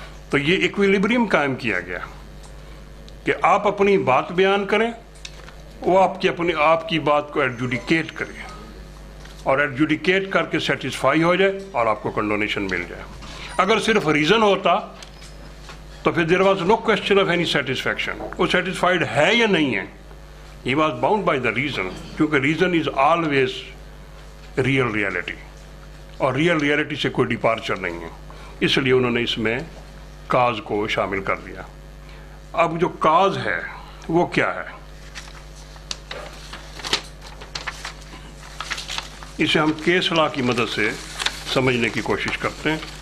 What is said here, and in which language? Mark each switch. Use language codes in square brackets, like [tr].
[ur] تو یہ ایکویلیبریم قائم کیا گیا کہ آپ اپنی بات بیان کریں, وہ آپ کی بات کو ایڈجوڈیکیٹ کرے اور ایڈجوڈیکیٹ کر کے سیٹسفائی ہو جائے اور آپ کو کنڈونیشن مل جائے. اگر صرف ریزن ہوتا تو پھر [en] there was no question of any satisfaction, [ur] وہ سیٹسفائیڈ ہے یا نہیں ہے. [en] He was bound by the reason, [ur] کیونکہ [en] reason is always real reality اور real reality [ur] سے کوئی [en] departure [ur] نہیں ہے. اس لیے انہوں نے اس میں cause کو شامل کر دیا. اب جو cause ہے وہ کیا ہے, اسے ہم کیس لا کی مدد سے سمجھنے کی کوشش کرتے ہیں.